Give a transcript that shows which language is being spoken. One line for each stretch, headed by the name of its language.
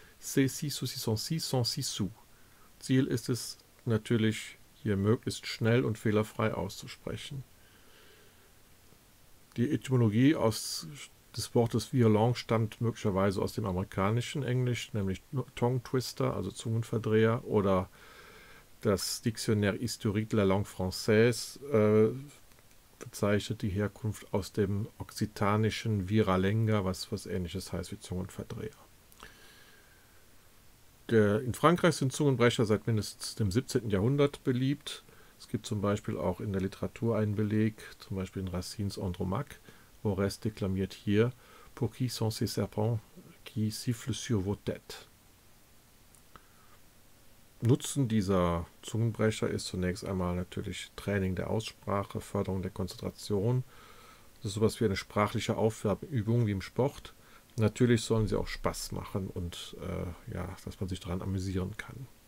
French: Ces six saucissons ci sont six sous.
German: Ziel ist es natürlich, hier möglichst schnell und fehlerfrei auszusprechen. Die Etymologie des Wortes Violong stammt möglicherweise aus dem amerikanischen Englisch, nämlich
English: Tongue Twister,
German: also Zungenverdreher, oder das Dictionnaire historique de la langue française bezeichnet die Herkunft aus dem okzitanischen Viralenga, was ähnliches heißt wie Zungenverdreher. In Frankreich sind Zungenbrecher seit mindestens dem 17. Jahrhundert beliebt. Es gibt zum Beispiel auch in der Literatur einen Beleg, zum Beispiel in Racines Andromaque. Orest deklamiert hier:
French: Pour qui sont ces serpents qui sifflent sur vos têtes?
German: Nutzen dieser Zungenbrecher ist zunächst einmal natürlich Training der Aussprache, Förderung der Konzentration. Das ist sowas wie eine sprachliche Aufwärmübung wie im Sport. Natürlich sollen sie auch Spaß machen und dass man sich daran amüsieren kann.